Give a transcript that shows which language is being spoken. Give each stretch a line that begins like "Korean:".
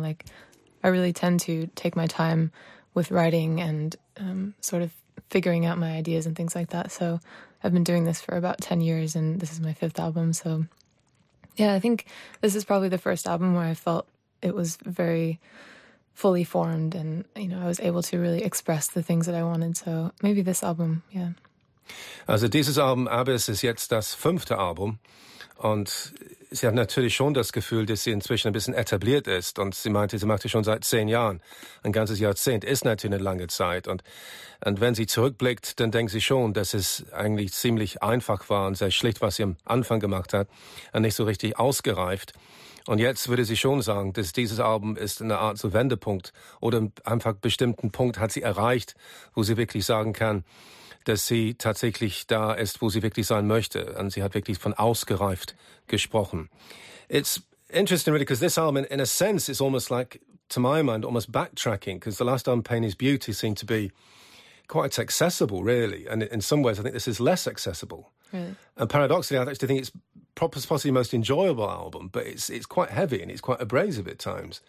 English: Like, I really tend to take my time with writing and sort of figuring out my ideas and things like that. So I've been doing this for about 10 years and this is my fifth album. So yeah, I think this is probably the first album where I felt it was very fully formed and, you know, I was able to really express the things that I wanted. So maybe this album, yeah.
German: Also dieses Album Abyss ist jetzt das fünfte Album und sie hat natürlich schon das Gefühl, dass sie inzwischen ein bisschen etabliert ist und sie meinte, sie macht es schon seit 10 Jahren. Ein ganzes Jahrzehnt ist natürlich eine lange Zeit und wenn sie zurückblickt, dann denkt sie schon, dass es eigentlich ziemlich einfach war und sehr schlicht, was sie am Anfang gemacht hat und nicht so richtig ausgereift. Und jetzt würde sie schon sagen, dass dieses Album ist eine Art so Wendepunkt oder einfach einen bestimmten Punkt hat sie erreicht, wo sie wirklich sagen kann, dass sie tatsächlich da ist, wo sie wirklich sein möchte. Und sie hat wirklich von ausgereift gesprochen.
English: It's interesting, really, because this album, in a sense, is almost like, to my mind, almost backtracking, because the last album, Pain is Beauty, seemed to be quite accessible, really. And in some ways, I think this is less accessible. Really? And paradoxically, I actually think it's possibly the most enjoyable album, but it's quite heavy and it's quite abrasive at times.